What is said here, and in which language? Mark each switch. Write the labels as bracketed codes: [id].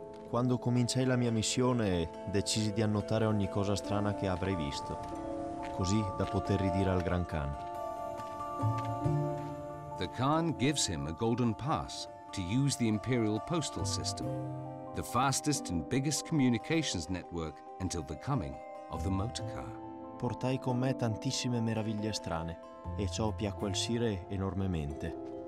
[it] Quando cominciai la mia missione, decisi di annotare ogni cosa strana che avrei visto, così da poter ridire al Gran Khan. [en] The Khan gives him a golden pass to use the imperial postal system, the fastest and biggest communications network until the coming of the motor car. [it] Portai con me tantissime meraviglie strane e ciò piacque al sire enormemente.